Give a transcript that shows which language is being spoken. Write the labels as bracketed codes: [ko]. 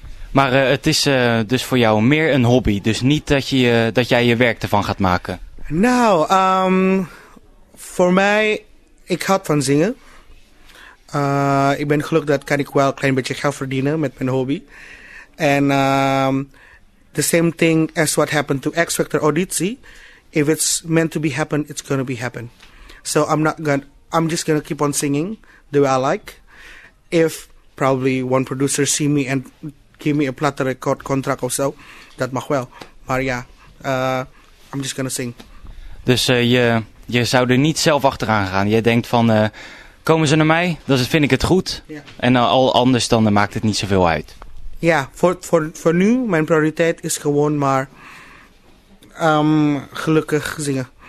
[nl] Maar het is dus voor jou meer een hobby. Dus niet dat jij je werk ervan gaat maken. Nou, voor mij, ik houd van zingen. Ik ben gelukkig dat kan ik wel een klein beetje geld verdienen met mijn hobby. [en] And the same thing as what happened to X Factor Auditie. If it's meant to be happen, it's going to be happen. So I'm just going to keep on singing the way I like. If probably one producer see me and give me a platter record contract or so, that [nl] mag wel. Maar ja, [en] I'm just going to sing. [nl] Dus je zou er niet zelf achteraan gaan. Je denkt van, komen ze naar mij, dan vind ik het goed. Yeah. En al anders dan maakt het niet zoveel uit. Ja, voor nu, mijn prioriteit is gewoon maar gelukkig zingen.